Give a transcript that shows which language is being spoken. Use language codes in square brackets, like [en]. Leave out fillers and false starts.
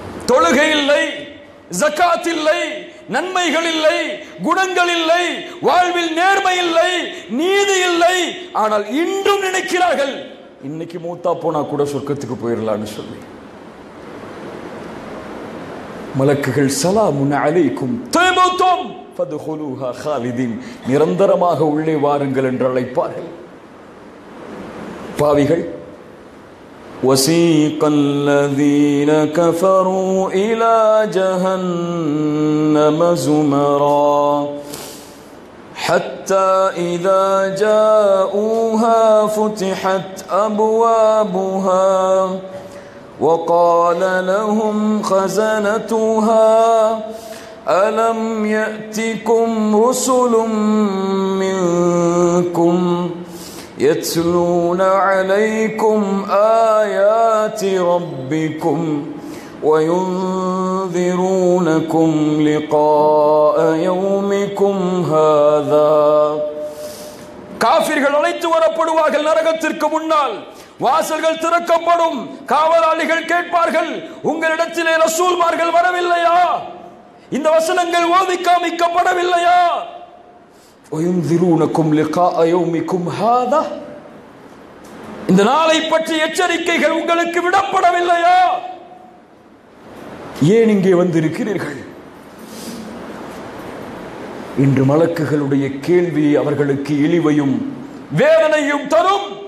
[ta] தொழுகை இல்லை, ஜகாத் இல்லை, நன்மைகள் இல்லை, குணங்கள் இல்லை, வாழ்வில் நேர்மை இல்லை, நீதி இல்லை, ஆனால் இன்றும் நினைக்கிறார்கள், இன்னைக்கு மூத்தா போனா கூட சொர்க்கத்துக்கு போயிடலான்னு சொல்லி. மலக்குகள் [ar] சலாமுன் அலைக்கும் தைபத்தும் ஃபதுஹுலூஹா காலிதீன், [ta] நிரந்தரமாக உள்ளே வாருங்கள் என்று அழைப்பார்கள். பாவிகள், [ar] وسيق الذين كفروا إلى جهنم زمرا حتى إذا جاءوها فتحت أبوابها وقال لهم خزنتها ألم يأتكم رسل منكم يتلون عليكم آيات ربكم وينذرونكم لقاء يومكم هذا. [ta] காஃபிர்கள் அழைத்து வரப்படுவார்கள் நரகத்திற்கு முன்னால். வாசல்கள் திறக்கப்படும். காவலாளிகள் கேட்பார்கள், உங்களிடத்திலே ரசூல்மார்கள் வரவில்லையா? இந்த வசனங்கள் ஓதி காமிக்கப்படவில்லையா? [ar] وينذرونكم لقاء يومكم هذا, [ta] இந்த நாளை பற்றி எச்சரிக்கைகள் உங்களுக்கு விடப்படவில்லையோ? ஏன் இங்கே வந்திருக்கிறீர்கள்? இன்று மலக்குகளுடைய கேள்வி அவர்களுக்கு இழிவையும் வேதனையும் தரும்.